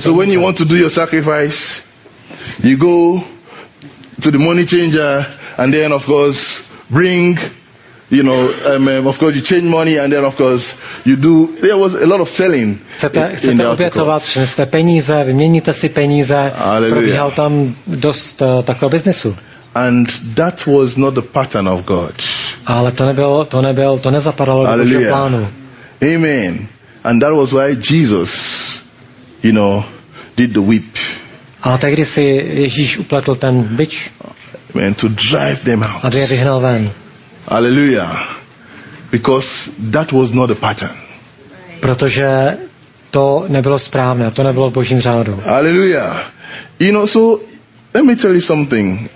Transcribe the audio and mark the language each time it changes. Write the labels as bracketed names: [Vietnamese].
[English] So when you want to do your sacrifice, you go to the money changer and then of course bring, you know, of course you change money and then of course you do, there was a lot of selling. [Czech] Chcete obětovat, přineste peníze, vyměníte si peníze, probíhal tam dost takového biznesu. [English] And that was not the pattern of God. [Czech] Ale to nezapadalo do Božího plánu. Amen. [English] And that was why Jesus, you know, did the whip. [Czech] A tehdy si Ježíš upletl ten bič. [English] Amen. To drive them out. [Czech] Aby je vyhnal ven. Hallelujah. [English] Because that was not the pattern. [Czech] Protože to nebylo správné, to nebylo v Božím řádu. Hallelujah. [English] You know, so let me tell you something.